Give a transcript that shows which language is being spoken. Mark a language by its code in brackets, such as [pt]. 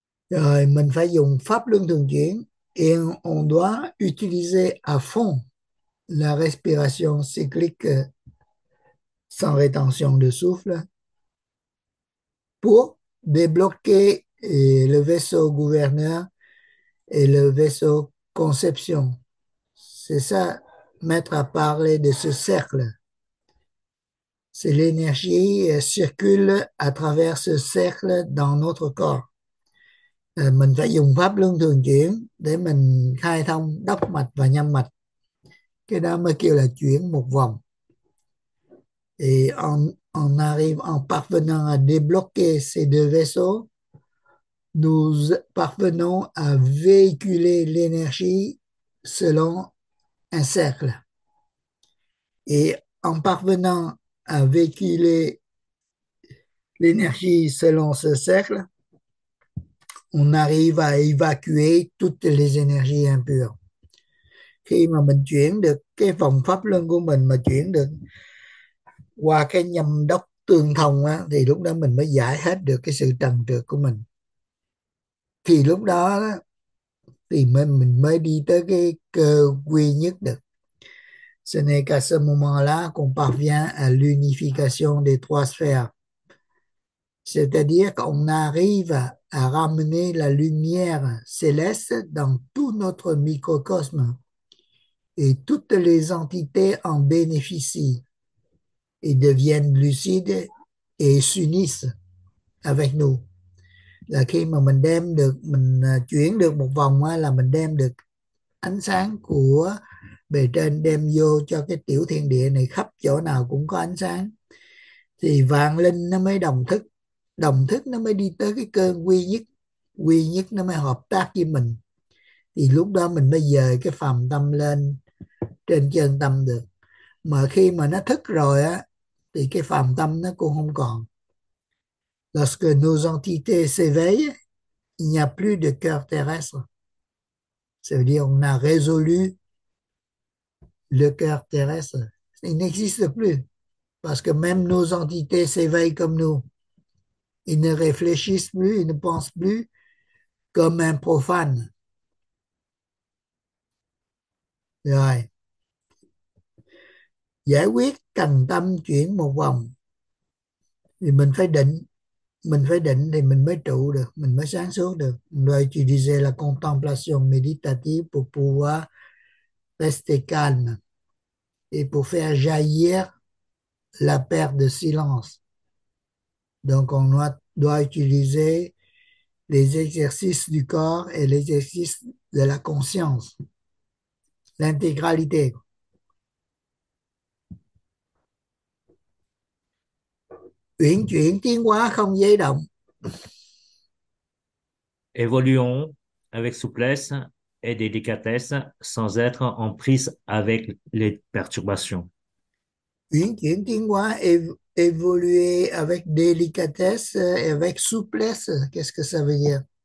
[vi] Rồi, mình phải dùng pháp luân thường chuyển [fr] et on doit utiliser à fond la respiration cyclique sans rétention de souffle pour débloquer le vaisseau gouverneur et le vaisseau conception. C'est ça, mettre à parler de ce cercle. C'est l'énergie qui circule à travers ce cercle dans notre corps. [vi] Mình phải dùng pháp luân thường chuyển để mình khai thông đốc mạch và nhâm mạch. Cái đó mới kêu là chuyển một vòng. [fr] Et on arrive en parvenant à débloquer ces deux vaisseaux, nous parvenons à véhiculer l'énergie selon un cercle. Et en parvenant à véhiculer l'énergie selon ce cercle, on arrive à évacuer toutes les énergies impures. [vi] Khi mà mình chuyển được cái vòng pháp luân của mình mà chuyển được qua cái nhâm đốc tương thông á, thì lúc đó mình mới giải hết được cái sự trần trược của mình. Thì lúc đó thì mình mới đi tới cái cơ quy nhất được. [fr] Ce n'est qu'à ce moment-là qu'on parvient à l'unification des trois sphères. C'est-à-dire qu'on arrive à ramener la lumière céleste dans tout notre microcosme et toutes les entités en bénéficient et deviennent lucides et s'unissent avec nous. [vi] Là khi mà mình chuyển được một vòng là mình đem được ánh sáng của bề trên đem vô cho cái tiểu thiên địa này, khắp chỗ nào cũng có ánh sáng, thì vạn linh nó mới đồng thức nó mới đi tới cái cơ quy nhất, nó mới hợp tác với mình. Thì lúc đó mình mới dời cái phàm tâm lên trên chân tâm được. Mà khi mà nó thức rồi á thì cái phàm tâm nó cũng không còn. [fr] Lorsque nos entités s'éveillent, il n'y a plus de cœur terrestre. Ça veut dire on a résolu le cœur terrestre. Il n'existe plus. Parce que même nos entités s'éveillent comme nous. Ils ne réfléchissent plus, ils ne pensent plus comme un profane. [vi] Rồi. Giải quyết cần tâm chuyển một vòng. Thì mình phải định. Mình phải định thì mình mới trụ được, mình mới sáng suốt được. [fr] On doit utiliser la contemplation méditative pour pouvoir rester calme et pour faire jaillir la paix de silence. Donc, on doit utiliser les exercices du corps et les exercices de la conscience. L'intégralité. [vi] Uyển chuyển tiến hóa không dao động. [fr] Évoluons avec souplesse et délicatesse sans être en prise avec les perturbations. [vi] Uyển chuyển tiến hóa, [fr] évoluer avec délicatesse et avec souplesse. Qu'est-ce que ça veut dire?